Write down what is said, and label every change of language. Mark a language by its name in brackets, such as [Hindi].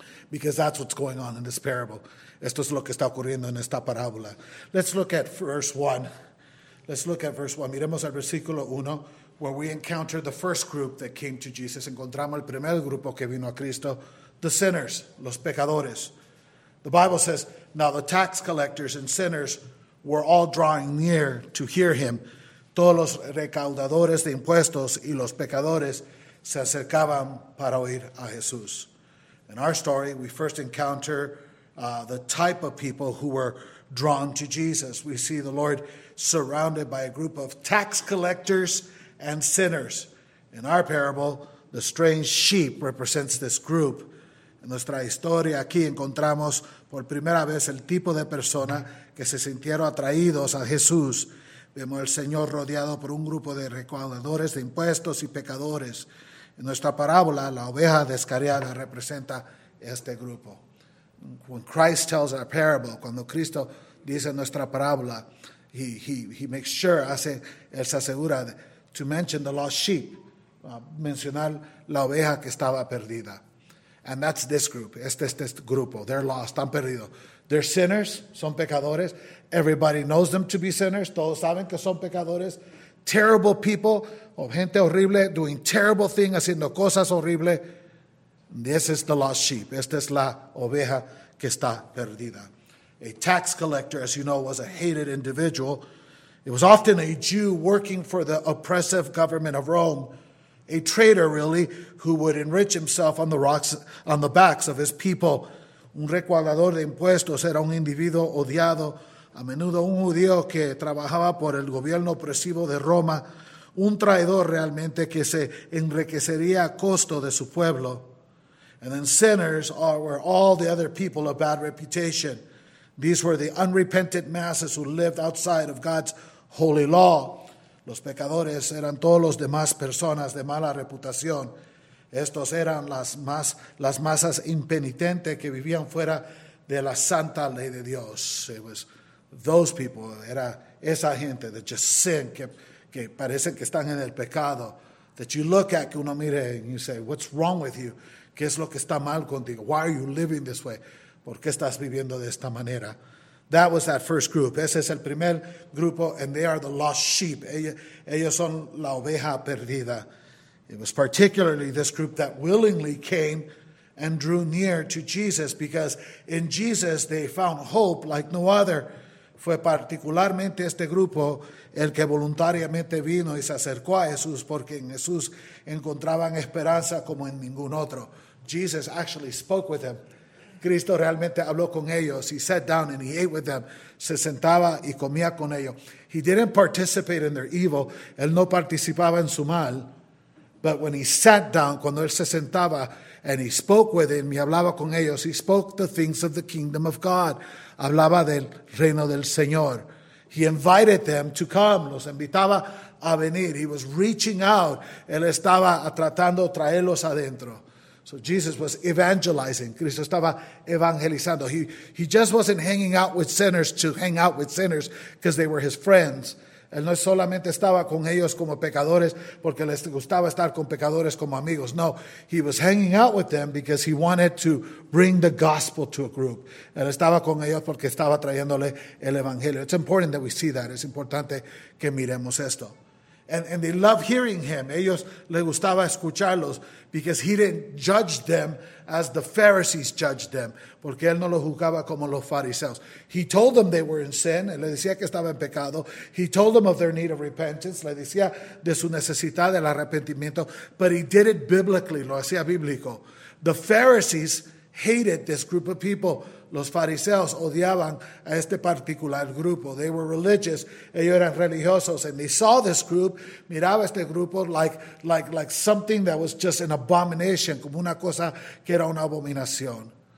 [English] Because that's what's going on in this parable. [Spanish] Esto es lo que está ocurriendo en esta parábola. [English] Let's look at verse 1. [Spanish] Miremos al versículo 1, [English] where we encounter the first group that came to Jesus. [Spanish] Encontramos el primer grupo que vino a Cristo, [English] the sinners, [Spanish] los pecadores. [English] The Bible says, now the tax collectors and sinners were all drawing near to hear him. [Spanish] Todos los recaudadores de impuestos y los pecadores se acercaban para oír a Jesús. [English] In our story, we first encounter the type of people who were drawn to Jesus. We see the Lord surrounded by a group of tax collectors and sinners. In our parable, the strange sheep represents this group. [Spanish] En nuestra historia, aquí encontramos por primera vez el tipo de persona que se sintieron atraídos a Jesús. Vemos al Señor rodeado por un grupo de recaudadores de impuestos y pecadores. En nuestra parábola, la oveja descarriada representa este grupo. [English] When Christ tells our parable, [Spanish] cuando Cristo dice nuestra parábola, [English] he makes sure, [Spanish] hace, él se asegura de, [English] to mention the lost sheep, [Spanish] mencionar la oveja que estaba perdida. [English] And that's this group, [Spanish] este grupo, [English] they're lost, [Spanish] están perdidos. [English] They're sinners, [Spanish] son pecadores. [English] Everybody knows them to be sinners. [Spanish] Todos saben que son pecadores. [English] Terrible people, [Spanish] o gente horrible, [English] doing terrible things, [Spanish] haciendo cosas horribles. [English] This is the lost sheep. [Spanish] Esta es la oveja que está perdida. [English] A tax collector, as you know, was a hated individual. It was often a Jew working for the oppressive government of Rome. A traitor, really, who would enrich himself on the rocks, on the backs of his people. [Spanish] Un recaudador de impuestos era un individuo odiado, a menudo un judío que trabajaba por el gobierno opresivo de Roma, un traidor realmente que se enriquecería a costo de su pueblo. [English] And then sinners were all the other people of bad reputation. These were the unrepentant masses who lived outside of God's holy law. [Spanish] Los pecadores eran todos los demás personas de mala reputación. Estos eran las masas impenitentes que vivían fuera de la santa ley de Dios. [English] It was those people, [Spanish] era esa gente [English] that just sin, [Spanish] que parecen que están en el pecado, [English] that you look at, [Spanish] que uno mire, [English] and you say, what's wrong with you? [Spanish] ¿Qué es lo que está mal contigo? [English] Why are you living this way? [Spanish] ¿Por qué estás viviendo de esta manera? [English] That was that first group. [Spanish] Ese es el primer grupo, [English] and they are the lost sheep. [Spanish] Ellos son la oveja perdida. [English] It was particularly this group that willingly came and drew near to Jesus, because in Jesus they found hope like no other. [Spanish] Fue particularmente este grupo el que voluntariamente vino y se acercó a Jesús, porque en Jesús encontraban esperanza como en ningún otro. [English] Jesus actually spoke with them. [Spanish] Cristo realmente habló con ellos. [English] He sat down and he ate with them. [Spanish] Se sentaba y comía con ellos. [English] He didn't participate in their evil. [Spanish] Él no participaba en su mal. [English] But when he sat down, [Spanish] cuando él se sentaba, [English] and he spoke with them, [Spanish] y hablaba con ellos, [English] he spoke the things of the kingdom of God. [Spanish] Hablaba del reino del Señor. [English] He invited them to come. [Spanish] Los invitaba a venir. [English] He was reaching out. [Spanish] Él estaba tratando de traerlos adentro. [English] So Jesus was evangelizing. [Spanish] Cristo estaba evangelizando. [English] He just wasn't hanging out with sinners to hang out with sinners because they were his friends. [Spanish] Él no solamente estaba con ellos como pecadores porque les gustaba estar con pecadores como amigos. [English] No, he was hanging out with them because he wanted to bring the gospel to a group. [Spanish] Él estaba con ellos porque estaba trayéndole el evangelio. [English] It's important that we see that. [Spanish] Es importante que miremos esto. [English] And they loved hearing him. [Spanish] Ellos les gustaba escucharlos, [English] because he didn't judge them as the Pharisees judged them. [Spanish] Porque él no los juzgaba como los fariseos. [English] He told them they were in sin. [Spanish] Él les decía que estaba en pecado. [English] He told them of their need of repentance. [Spanish] Les decía de su necesidad del arrepentimiento. [English] But he did it biblically. [Spanish] Lo hacía bíblico. [English] The Pharisees hated this group of people. [Spanish] Los fariseos odiaban a este particular grupo. [English] They were religious. [Spanish] Ellos eran religiosos. [English] And they saw this group, [Spanish] miraba este grupo [English] like something that was just an abomination, [Spanish] como una cosa que era una abominación.